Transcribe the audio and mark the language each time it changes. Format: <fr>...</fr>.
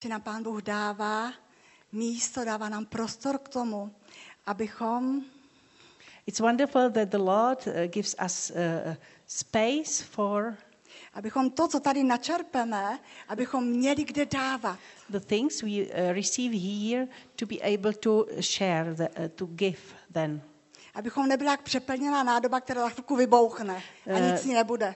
<cs>Že nám Pán Boh dává místo, dává nám prostor k tomu, abychom.</cs> <en>It's wonderful that the Lord gives us space for.</en> <cs>Abychom to, co tady načerpeme, abychom měli kde dávat.</cs> <en>The things we receive here to be able to share, to give then.</en> <cs>Abychom nebyla jak přeplněná nádoba, která za chvilku vybouchne a nic ní nebude.</cs>